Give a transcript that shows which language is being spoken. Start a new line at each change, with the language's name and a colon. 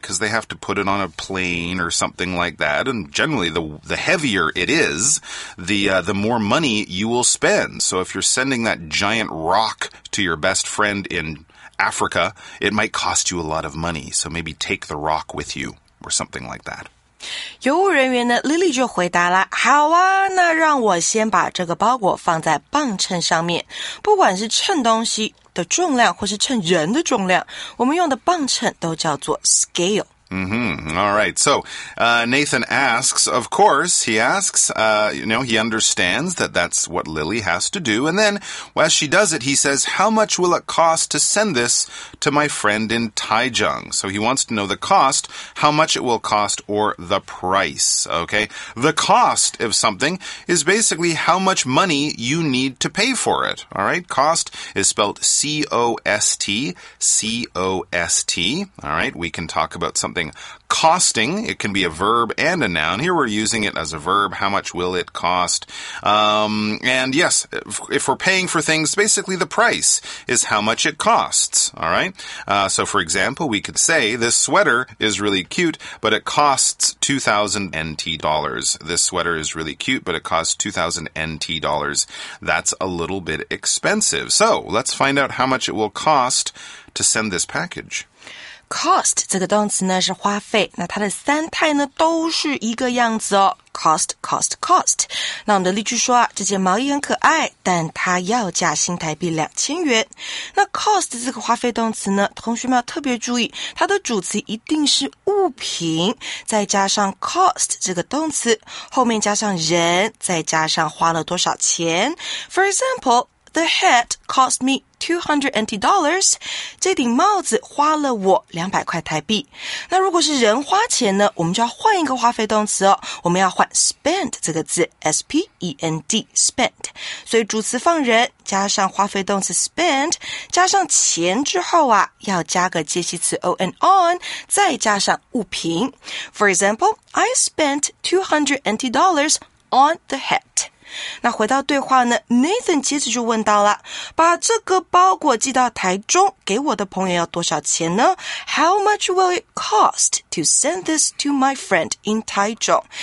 English: Because they have to put it on a plane or something like that. And generally, the heavier it is, the more money you will spend. So if you're sending that giant rock to your best friend in Africa, it might cost you a lot of money. So maybe take the rock with you or something like that.
Chinese: 邮务人员呢 ,Lily 就回答了，好啊，那让我先把这个包裹放在磅秤上面。不管是秤东西的重量或是秤人的重量，我们用的磅秤都叫做 scale。
English: Mm-hmm. All right. So, Nathan asks, of course, he asks, you know, he understands that that's what Lily has to do. And then, as she does it, he says, how much will it cost to send this to my friend in Taichung? So he wants to know the cost, how much it will cost, or the price. Okay. The cost of something is basically how much money you need to pay for it. All right. Cost is spelled C-O-S-T, C-O-S-T. All right. We can talk about something costing. It can be a verb and a noun. Here we're using it as a verb. How much will it cost? And yes, if we're paying for things, basically the price is how much it costs. All right. So for example, we could say this sweater is really cute, but it costs 2,000 NT dollars. This sweater is really cute, but it costs 2,000 NT dollars. That's a little bit expensive. So let's find out how much it will cost to send this package.
Chinese: Cost 这个动词呢是花费，那它的三态呢都是一个样子哦。
English: Cost, cost, cost.
Chinese: 那我们的例句说啊，这件毛衣很可爱，但它要价新台币2000元。那 cost 这个花费动词呢，同学们要特别注意，它的主词一定是物品，再加上 cost 这个动词，后面加上人，再加上花了多少钱。
English: For example, the hat cost me.
Chinese: $200 NT, 这顶帽子花了我200块台币。那如果是人花钱呢，我们就要换一个花费动词哦，我们要换 spend 这个字 S-P-E-N-D, spend。所以主词放人加上花费动词 spend, 加上钱之后啊，要加个介系词 on, on, 再加上物品。
English: For example, I spent $200 NT on the hat.
Chinese: 那回到对话呢 ,Nathan 接着就问到了，把这个包裹寄到台中，给我的朋友要多少钱呢？
English: How much will it cost to send this to my friend in Taichung?